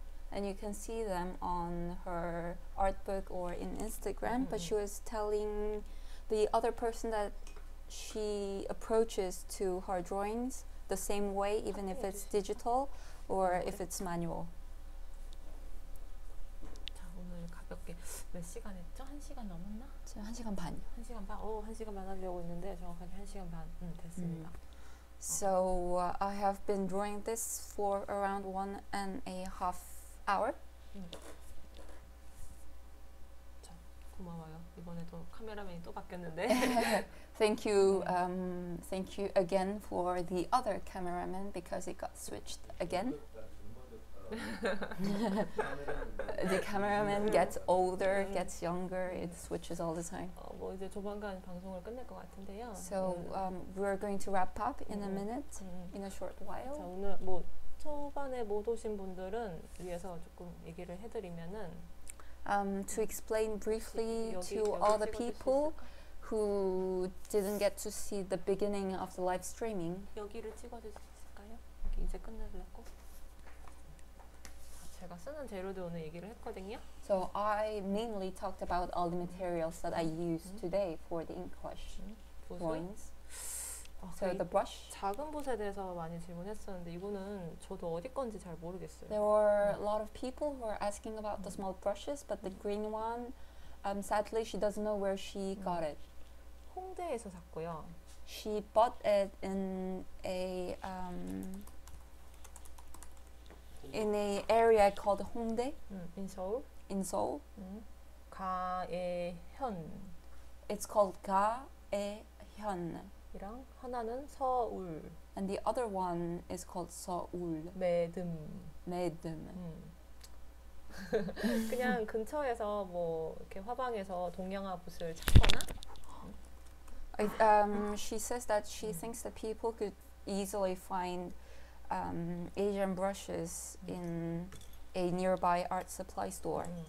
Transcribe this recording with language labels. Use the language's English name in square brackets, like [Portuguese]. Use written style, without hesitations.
[English] And you can see them on her art book or in Instagram. But she was telling the other person that she approaches to her drawings the same way, even if it's digital or if it's manual. [Korean] 자, 오늘 가볍게 몇 시간 했죠? 한 시간 넘었나? 지금 한 시간 반이요. 한 시간 반? 오, 한 시간 반 하려고 했는데 정확하게 한 시간 반 됐습니다. [English] So I have been drawing this for around 1.5 hours. [Korean] 자, 고마워요. 이번에도 카메라맨이 또 바뀌었는데. [English] Thank you. Thank you again for the other cameraman because it got switched again. The cameraman gets older, gets younger. It switches all the time. [Korean] 뭐 이제 조만간 방송을 끝낼 것 같은데요. [English] So we're going to wrap up in a minute, in a short while. [Korean] 자, 오늘 뭐 초반에 못 오신 분들은 위해서 조금 얘기를 해드리면은. [English] To explain briefly [Korean] 여기, [English] to all the people who didn't get to see the beginning of the live streaming. [Korean] 여기를 찍어주실 수 있을까요? 여기 이제 끝내려고. 제가 쓰는 재료들 오늘 얘기를 했거든요. [English] So I mainly talked about all the materials that I used today for the inkwash drawings. 아, so the brush. [Korean] 작은 붓에 대해서 많이 질문했었는데 이거는 저도 어디 건지 잘 모르겠어요. [English] There were a lot of people who were asking about the small brushes, but the green one, sadly, she doesn't know where she got it. [Korean] 홍대에서 샀고요. [English] She bought it in a in a area called 홍대. In Seoul. In Seoul. [Korean] 가에현. [English] It's called 가에현. [Korean] 이랑 하나는 서울. [English] And the other one is called 서울. [Korean] 매듬. 매듬. 그냥 근처에서 뭐 이렇게 화방에서 동양화 붓을 찾거나. [English] She says that she thinks that people could easily find Asian brushes in a nearby art supply store.